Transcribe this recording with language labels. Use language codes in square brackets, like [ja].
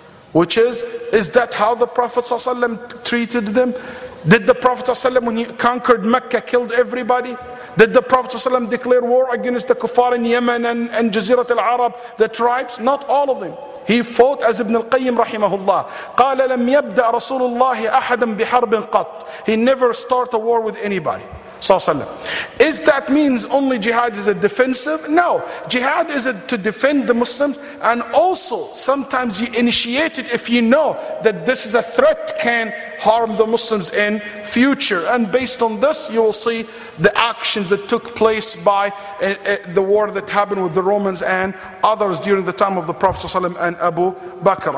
[en] Which is that how the Prophet ﷺ treated them? Did the Prophet ﷺ, when he conquered Mecca, killed everybody? Did the Prophet ﷺ declare war against the kuffar in Yemen and Jazirat al-Arab, the tribes? Not all of them. He fought as Ibn al-Qayyim rahimahullah. [ar] قَالَ لَمْ يَبْدَأْ رَسُولُ اللَّهِ أَحَدًا بِحَرْبٍ قَطْ. [en] He never started a war with anybody. Is that means only jihad is a defensive? No. Jihad is to defend the Muslims, and also sometimes you initiate it if you know that this is a threat can harm the Muslims in future. And based on this, you will see the actions that took place by the war that happened with the Romans and others during the time of the Prophet and Abu Bakr.